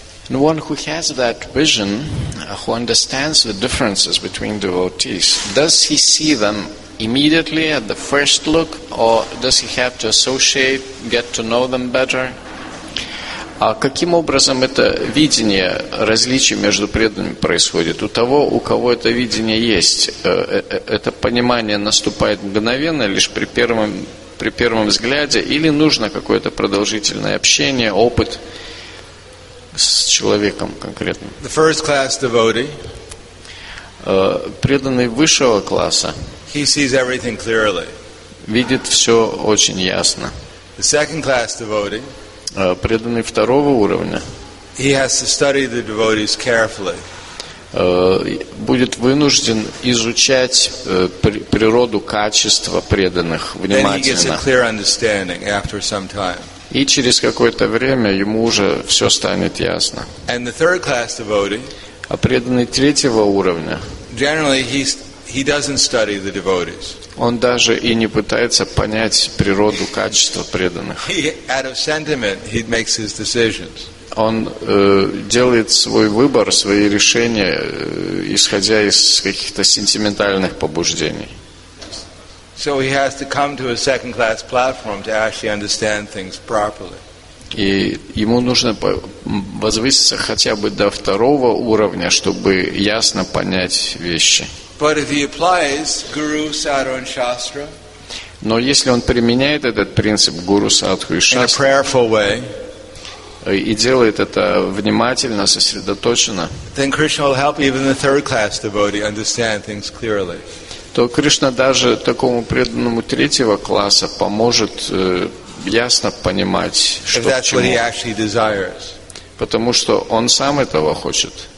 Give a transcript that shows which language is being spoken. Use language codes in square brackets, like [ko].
[en] The one who has that vision, who understands the differences between devotees, does he see them immediately at the first look, or does he have to associate, get to know them better? [ru] А каким образом это видение различий между преданными происходит? У того, у кого это видение есть, это понимание наступает мгновенно, лишь при первом взгляде, или нужно какое-то продолжительное общение, опыт с человеком конкретно? [en] The first class devotee, [ru] преданный высшего класса, [en] he sees everything clearly. [ru] Видит все очень ясно. [en] The second class devotee, [ru] преданный второго уровня, [en] he has to study the devotees carefully. [ru] Будет вынужден изучать природу качества преданных внимательно. [en] Then he gets a clear understanding after some time. [ru] И через какое-то время ему уже все станет ясно. [en] And the third class devotee, [ru] а преданный третьего уровня, [en] generally he doesn't study the devotees. [ru] Он даже и не пытается понять природу качества преданных. [en] He, out of sentiment, he makes his decisions. [ru] Он делает свой выбор, свои решения, исходя из каких-то сентиментальных побуждений. [en] So he has to come to a second class platform to actually understand things properly. [ru] И ему нужно возвыситься хотя бы до второго уровня, чтобы ясно понять вещи. [en] But if he applies Guru, Sadhu and Shastra, [ru] но если он применяет этот принцип Гуру, Садху и Шастра, [en] in a prayerful way, [ru] и делает это внимательно, сосредоточенно, [en] then Krishna will help even the third class devotee understand things clearly. [ru] То Кришна даже такому преданному третьего класса поможет ясно понимать, что [en] if that's what he actually desires. [ru] Потому что он сам этого хочет.